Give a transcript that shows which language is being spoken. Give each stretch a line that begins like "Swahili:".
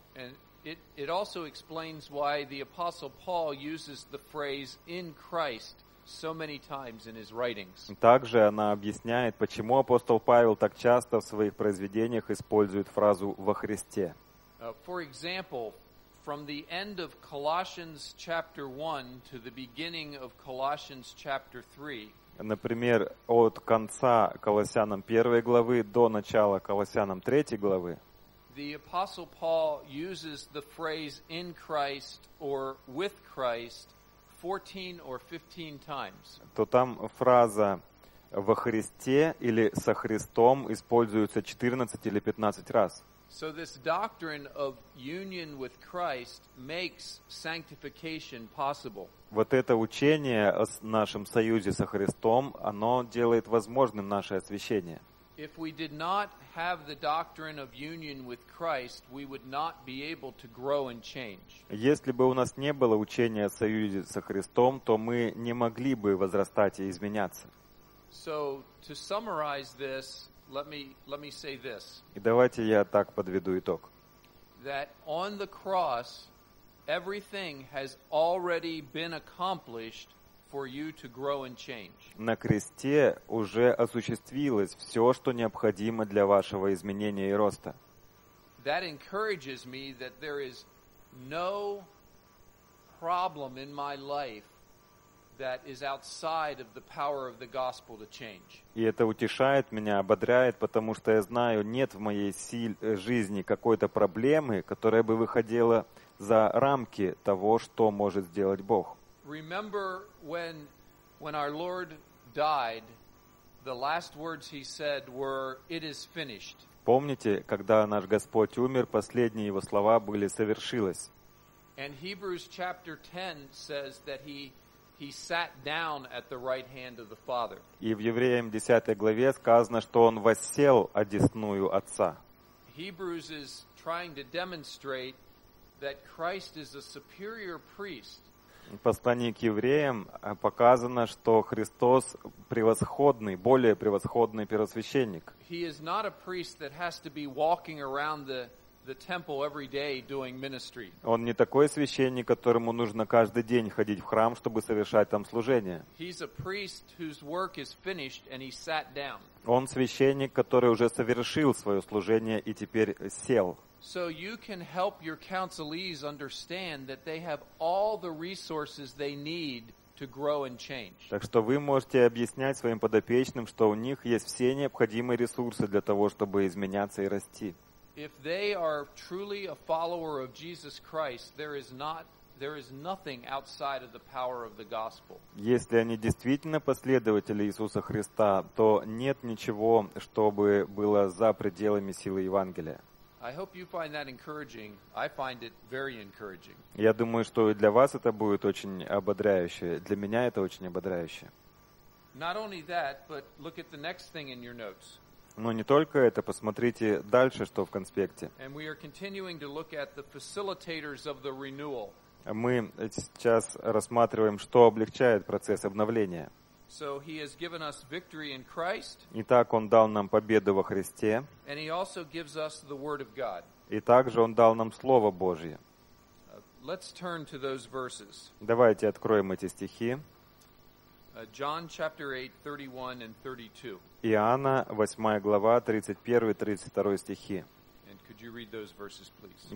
English: And it also explains why the apostle Paul uses the phrase in Christ so many times in his writings.
Russian: Также она объясняет, почему апостол Павел так часто в своих произведениях использует фразу во Христе.
English: For example, from the end of Colossians chapter 1 to the beginning of Colossians chapter 3.
Russian: Например, от конца Колоссянам 1 главы до начала Колоссянам 3 главы.
English: The apostle Paul uses the phrase in Christ or with Christ 14 or 15 times.
Russian: То там фраза во Христе или со Христом используется 14 или 15 раз.
English: So this doctrine of union with Christ makes sanctification possible.
Russian: Вот это учение о нашем союзе со Христом, оно делает возможным наше освящение.
English: If we did not have the doctrine of union with Christ, we would not be able to grow and change.
Russian: Если бы у нас не было учения о союзе со Христом, то мы не могли бы возрастать и изменяться.
English: So to summarize this, let me say this.
Russian: И давайте я так подведу итог.
English: That on the cross, everything has already been accomplished for you to grow and change.
Russian: На кресте уже осуществилось все, что необходимо для вашего изменения и роста.
English: That encourages me that there is no problem in my life that is outside of the power of the gospel to change.
Russian: И это утешает меня, ободряет, потому что я знаю, нет в моей жизни какой-то проблемы, которая бы выходила за рамки того, что может сделать Бог.
English: Remember when our Lord died, the last words he said were, "It is finished."
Russian: Помните, когда наш Господь умер, последние его слова были «совершилось».
English: And Hebrews chapter 10 says that he sat down at the right hand of the Father.
Russian: И в Евреям 10 главе сказано, что он воссел одесную Отца.
English: Hebrews is trying to demonstrate that Christ is a superior priest.
Russian: В послании к евреям показано, что Христос превосходный, более превосходный первосвященник.
English: He is not a priest that has to be walking around the temple every day doing ministry.
Russian: Он не такой священник, которому нужно каждый день ходить в храм, чтобы совершать там служение.
English: He's a priest whose work is finished and he sat down.
Russian: Он священник, который уже совершил свое служение и теперь сел.
English: So you can help your counselees understand that they have all the resources they need to grow and change.
Russian: Так что вы можете объяснять своим подопечным, что у них есть все необходимые ресурсы для того, чтобы изменяться и расти.
English: If they are truly a follower of Jesus Christ, there is nothing outside of the power of the gospel.
Russian: Если они действительно последователи Иисуса Христа, то нет ничего, чтобы было за пределами силы Евангелия.
English: I hope you find that encouraging. I find it very encouraging.
Russian: Я думаю, что для вас это будет очень ободряюще. Для меня это очень ободряюще.
English: Not only that, but look at the next thing in your notes.
Russian: Но не только это, посмотрите дальше, что в конспекте.
English: And we are continuing to look at the facilitators of the renewal.
Russian: Мы сейчас рассматриваем, что облегчает процесс обновления.
English: So he has given us victory in Christ.
Russian: Итак, он дал нам победу во Христе.
English: And he also gives us the word of God.
Russian: И также он дал нам слово Божье.
English: Let's turn to those verses.
Russian: Давайте откроем эти стихи.
English: John chapter 8, 31 and 32.
Russian: Иоанна 8 глава 31-32 стихи.
English: And could you read those verses, please?